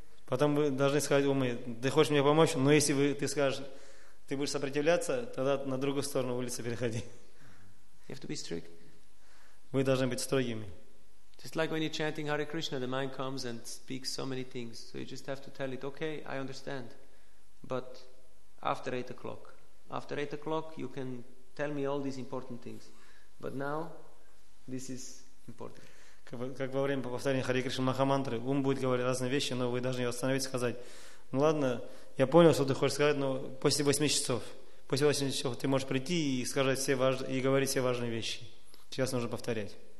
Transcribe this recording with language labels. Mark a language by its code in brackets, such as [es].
[ru] Потом вы должны сказать уму, ты хочешь мне помочь, но если ты скажешь, ты будешь сопротивляться, тогда на другую сторону улицы переходи. [en] You have to be strict. [ru] Вы должны быть строгими. [en] Just like when you're chanting Hare Krishna, the mind comes and speaks so many things. So you just have to tell it, okay, I understand. But after 8 o'clock. After 8 o'clock, you can tell me all these important things. But now, this is important. [ru] Как во время повторения Харе Кришна Махамантры, ум будет говорить разные вещи, но вы должны остановить и сказать, ну ладно, я понял, что ты хочешь сказать, но после 8 часов. После 8 часов ты можешь прийти и сказать все важные, и говорить все важные вещи. Сейчас нужно повторять.